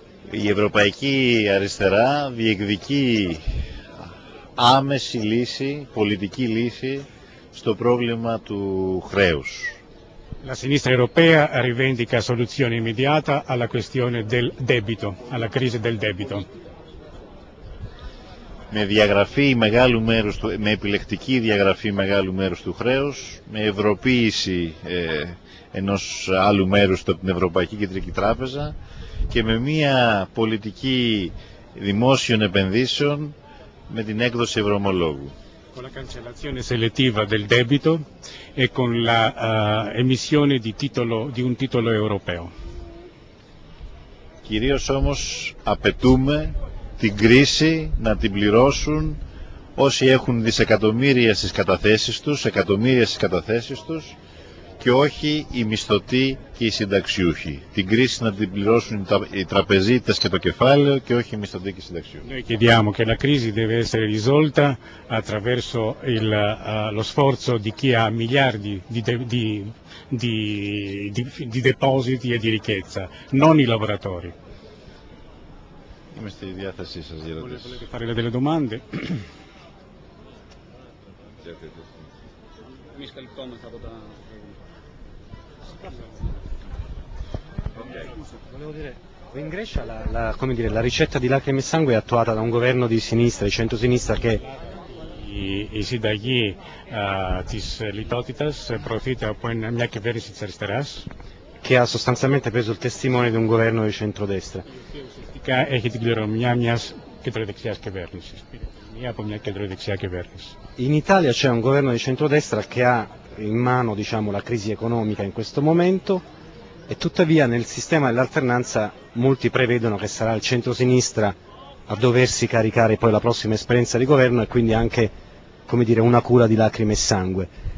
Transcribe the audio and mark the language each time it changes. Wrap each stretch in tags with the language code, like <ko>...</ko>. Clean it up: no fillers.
<el>Η Ευρωπαϊκή Αριστερά διεκδικεί άμεση λύση, πολιτική λύση στο πρόβλημα του χρέους.</el> <it>La sinistra europea rivendica soluzione immediata alla questione del debito, alla crisi del debito.</it> <el>Με διαγραφή μεγάλου μέρους του, με επιλεκτική διαγραφή μεγάλου μέρους του χρέους, με ευρωποίηση ενός άλλου μέρους από την Ευρωπαϊκή Κεντρική Τράπεζα και με μία πολιτική δημόσιων επενδύσεων με την έκδοση ευρωομολόγου.</el> <it>Con la cancellazione selettiva del debito e con la emissione di titolo di un titolo europeo.</it> <el>Κυρίως όμως απαιτούμε την κρίση να την πληρώσουν όσοι έχουν δισεκατομμύρια στις καταθέσεις τους, εκατομμύρια στις καταθέσεις τους, και όχι οι μισθωτοί και οι συνταξιούχοι. Την κρίση να την πληρώσουν οι τραπεζίτες και το κεφάλαιο και όχι οι μισθωτοί και οι συνταξιούχοι.</el> <it>Noi chiediamo che la crisi deve essere risolta attraverso lo sforzo di chi ha miliardi di depositi e di ricchezza, non i lavoratori.</it> <el>Είμαστε στη διάθεσή σας για ερωτήσεις.</el> <it>Volete fare delle domande? Mi scalpone stato da... Volevo dire, in Grecia la ricetta di lacrime e sangue è attuata da un governo di sinistra, di centrosinistra che</it> <el>η συνταγή της λιτότητας προωθείται από μια κυβέρνηση της αριστεράς</el> <it>che ha sostanzialmente preso il testimone di un governo di centrodestra.</it> <el>Έχει την κληρονομιά μιας κεντροδεξιάς κυβέρνησης. Μια από μια κεντροδεξιά κυβέρνηση.</el> <it>In Italia c'è un governo di centrodestra che ha in mano, diciamo, la crisi economica in questo momento e tuttavia nel sistema dell'alternanza molti prevedono che sarà il centrosinistra a doversi caricare poi la prossima esperienza di governo e quindi anche, come dire, una cura di lacrime e sangue.</it>